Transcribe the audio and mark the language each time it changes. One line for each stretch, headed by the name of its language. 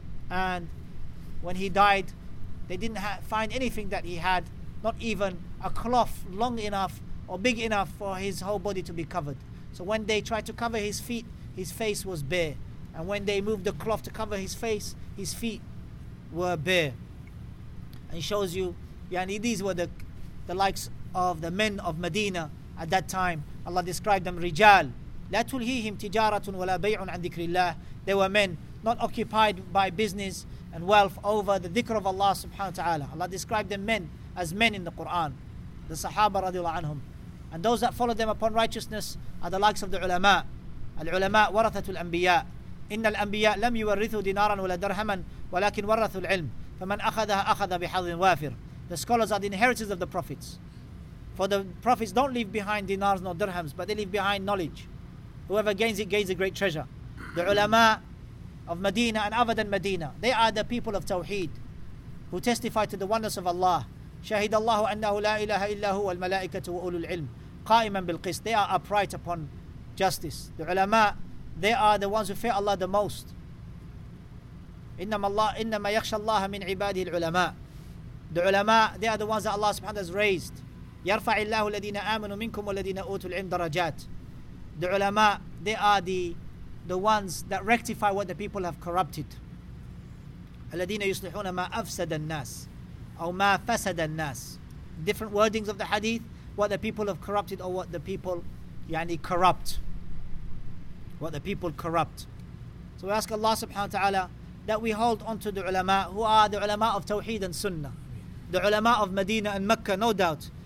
English: And when he died, they didn't find anything that he had, not even a cloth long enough or big enough for his whole body to be covered. So when they tried to cover his feet, his face was bare. And when they moved the cloth to cover his face, his feet were bare. And he shows you, yani these were the likes of the men of Medina at that time. Allah described them,
Arabic: رجال لا تلهيهم تجارة ولا بيع عن ذكر الله.
English: They were men not occupied by business and wealth over the dhikr of Allah subhanahu wa ta'ala. Allah described them men as men in the Quran, the Sahaba radiallahu anhum. And those that followed them upon righteousness are the likes of the ulama.
Arabic: Al-ulama warathatu al-anbiya. Inna al-anbiya lam yuwarithu dinaran wala darhaman walakin warathu al-ilm. فَمَنْ أَخَذَهَا أَخَذَ بِحَظٍ وَافِرٍ.
English: The scholars are the inheritors of the prophets. For the prophets don't leave behind dinars nor dirhams, but they leave behind knowledge. Whoever gains it, gains a great treasure. The ulama of Medina and other than Medina, they are the people of Tawheed, who testify to the oneness of Allah.
Arabic: شَهِدَ اللَّهُ أَنَّهُ لَا إِلَهَ إِلَّا هُوَ الْمَلَائِكَةُ وَأُولُو الْعِلْمِ قَائِمًا بِالْقِسْ.
English: They are upright upon justice. The ulama, they are the ones who fear Allah the most.
Arabic: إنما يخشى الله من عباده العلماء.
English: The ulama, they are the ones that Allah subhanahu has raised.
Arabic: يرفع الله الذين آمنوا منكم والذين أوتوا العلم درجات.
English: The ulama, they are the ones that rectify what the people have corrupted.
Arabic: الذين يصلحون ما أفسد الناس أو ما فسد الناس.
English: Different wordings of the hadith, what the people have corrupted or what the people يعني corrupt. What the people corrupt. So we ask Allah subhanahu wa ta'ala that we hold on to the ulama, who are the ulama of Tawheed and Sunnah, the ulama of Medina and Mecca, no doubt.